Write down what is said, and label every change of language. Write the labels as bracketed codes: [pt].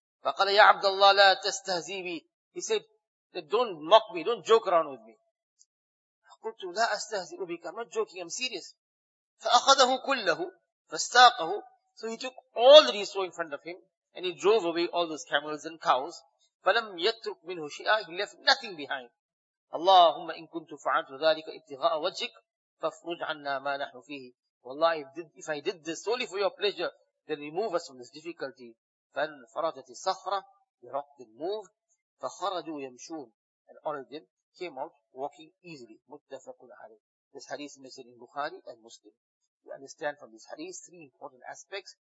[ar] فقال يا عبد الله لا تستهزي بي, [en] he said that don't mock me, don't joke around with me. [ar] قلت لا أستهزي بك, [en] I'm not joking, I'm serious. [ar] فأخذه كله فاستاقه, [en] so he took all that he saw in front of him and he drove away all those camels and cows. [ar] فلم يترك منه شيئا, [en] he left nothing behind. [ar] اللهم إن كنت فعلت ذلك ابتغاء وجهك فافرج عنا ما نحن فيه. [en] والله, if I did this solely for your pleasure, then remove us from this difficulty. [ar] فانفرجت الصخرة, [en] the rock then moved. [ar] فخرجوا يمشون, [en] and all of them came out walking easily. [ar] متفق عليه. [en] This hadith is mentioned in Bukhari and Muslim. We understand from this hadith three important aspects.